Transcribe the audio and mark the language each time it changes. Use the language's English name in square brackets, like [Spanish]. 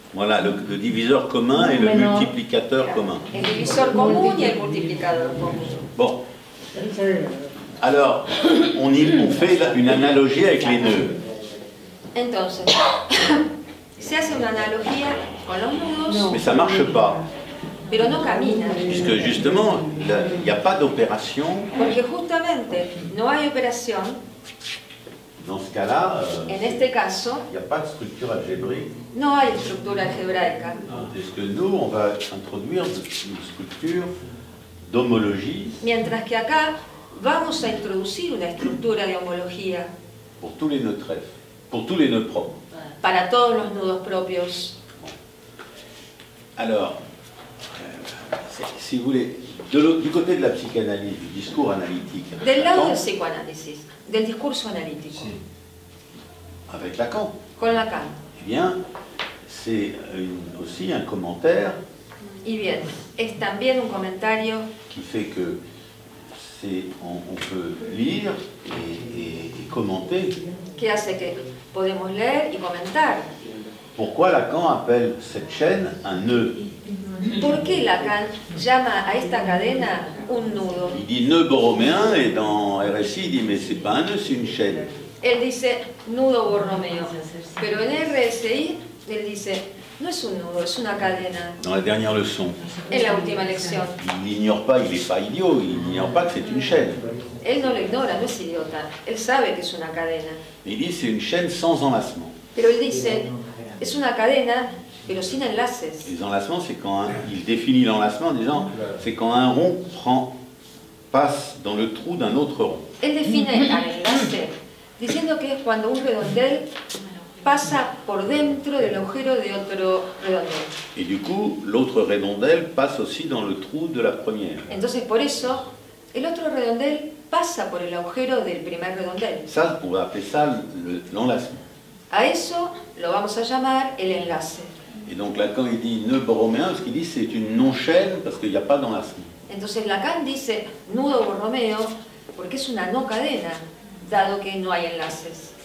[French] Voilà, le diviseur commun et le multiplicateur commun. [Spanish] El divisor común y el multiplicador común. [French] Bon. Alors, on fait une analogie avec les nœuds. [Spanish] Entonces, se hace una analogía con los nudos. [French] Mais ça marche pas. [Spanish] Pero no camina. [French] Puisque justement, il n'y a pas d'opération. [Spanish] Porque justamente no hay operación. [French] Dans ce cas-là, [Spanish] en este caso, [French] il n'y a pas de structure algébrique. [Spanish] No hay estructura algebraica. [French] Est-ce que nous, on va introduire une structure d'homologie. [Spanish] Mientras que acá vamos a introducir una estructura de homología. [French] Pour tous les nœuds trèfles, pour tous les nœuds propres. [Spanish] Para todos los nudos propios. [French] Bon. Alors, si vous voulez, du côté de la psychanalyse, du discours analytique. [Spanish] Del lado del psicoanálisis, del discurso analítico. Si. [French] Avec Lacan. [Spanish] Con Lacan. [French] Eh bien, c'est aussi un commentaire. [Spanish] Y bien, es también un comentario. [French] Qui fait que. On peut lire et commenter. [Spanish] Qui hace que podemos leer y comentar. [French] Pourquoi Lacan appelle cette chaîne un nœud? [Spanish] ¿Por qué Lacan llama a esta cadena un nudo? [French] Il dit nœud borroméen et dans RSI il dit mais c'est pas un nœud, c'est une chaîne. [Spanish] Él dice nudo borromeo. Pero en RSI él dice no es un nudo, es una cadena. [French] Dans la dernière leçon. [Spanish] En la última lección. [French] Il n'ignore pas, il n'est pas idiot, il n'ignore pas que c'est une chaîne. [Spanish] Él no lo ignora, no es idiota. Él sabe que es una cadena. [French] Il dit c'est une chaîne sans enlacement. [Spanish] Pero él dice, es una cadena, pero sin enlaces. [French] Les enlacements, c'est quand un, il définit l'enlacement en disant, c'est quand un rond passe dans le trou d'un autre rond. [Spanish] Él define el enlace diciendo que es cuando un redondel pasa por dentro del agujero de otro redondel. [French] Y du coup, l'autre redondel passe aussi dans le trou de la première. [Spanish] Entonces, por eso, el otro redondel pasa por el agujero del primer redondel. [French] Ça, on va appeler ça l'enlacement. [Spanish] A eso lo vamos a llamar el enlace. [French] Et donc Lacan il dit nœud borroméen, ce qu'il dit c'est une non-chaîne parce qu'il n'y a pas d'enlacement. [Spanish] Entonces Lacan dice nudo borromeo porque es una no cadena dado que no hay enlaces.